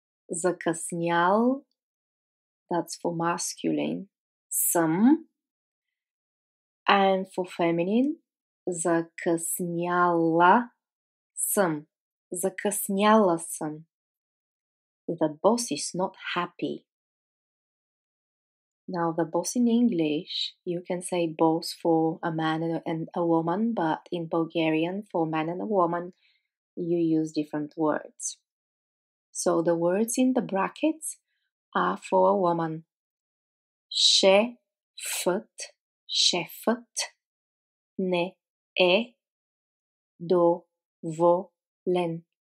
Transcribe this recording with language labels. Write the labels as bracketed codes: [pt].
[bg] Закъснял, [en] that's for masculine, [bg] съм, [en] and for feminine, [bg] закъсняла съм, закъсняла съм. [en] The boss is not happy. Now, the boss in English, you can say boss for a man and a woman, but in Bulgarian, for man and a woman, you use different words. So the words in the brackets are for a woman. [bg] Шефът, шефът не е доволен.